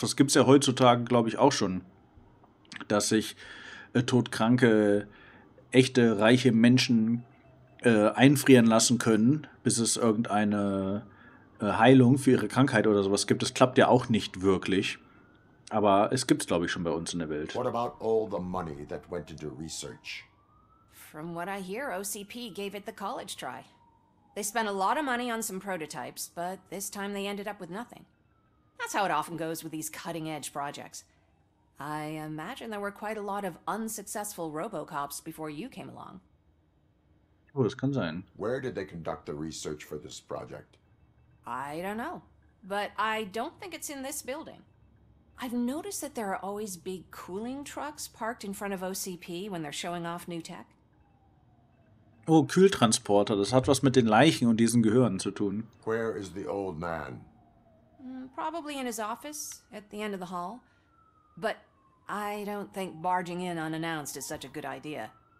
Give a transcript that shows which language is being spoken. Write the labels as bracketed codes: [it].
[de] Das gibt's ja heutzutage, glaube ich, auch schon. Dass sich todkranke, echte, reiche Menschen einfrieren lassen können, bis es irgendeine Heilung für ihre Krankheit oder sowas gibt. Das klappt ja auch nicht wirklich. Aber es gibt's, glaube ich, schon bei uns in der Welt. [en] What about all the money that went into research? From what I hear, OCP gave it the college try. They spent a lot of money on some prototypes, but this time they ended up with nothing. That's how it often goes with these cutting-edge projects. I imagine there were quite a lot of unsuccessful RoboCops before you came along. [de] Oh, das kann sein. [en] Where did they conduct the research for this project? I don't know, but I don't think it's in this building. I've noticed that there are always big cooling trucks parked in front of OCP when they're showing off new tech. [de] Oh, Kühltransporter, das hat was mit den Leichen und diesen Gehirnen zu tun. [en] Where is the old man? Probably in his office, at the end of the hall. But I don't think barging in unannounced is such a good idea.